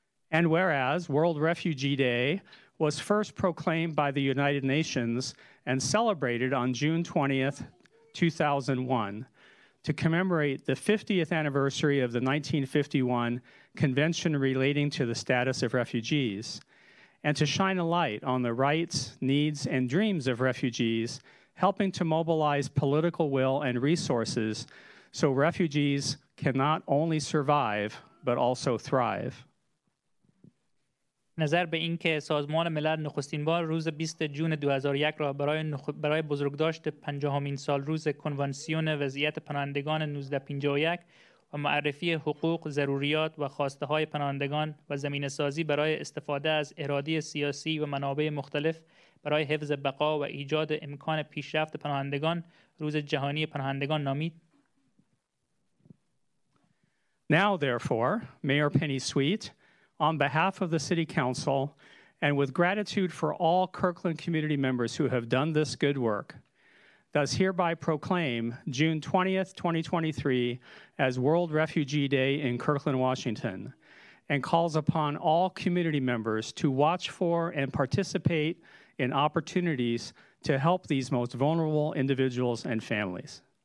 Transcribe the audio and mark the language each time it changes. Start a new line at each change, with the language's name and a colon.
English: And whereas World Refugee Day was first proclaimed by the United Nations and celebrated on June 20th, 2001, to commemorate the 50th anniversary of the 1951 Convention relating to the status of refugees, and to shine a light on the rights, needs, and dreams of refugees, helping to mobilize political will and resources so refugees can not only survive, but also thrive.
Persian: نظر به اینکه سازمان ملل نخستین بار روز 20 جون 2001 را برای بزرگداشت 50مین سال روز کنوانسیون وضعیت پناهندگان 1951 و معرفی حقوق، ضروریات و خواسته های پناهندگان و زمینه سازی برای استفاده از اراده سیاسی و منابع مختلف برای حفظ بقا و ایجاد امکان پیشرفت پناهندگان روز جهانی پناهندگان نامید.
English: Now therefore, Mayor Penny Sweet, on behalf of the City Council, and with gratitude for all Kirkland community members who have done this good work, does hereby proclaim June 20th, 2023 as World Refugee Day in Kirkland, Washington, and calls upon all community members to watch for and participate in opportunities to help these most vulnerable individuals and families.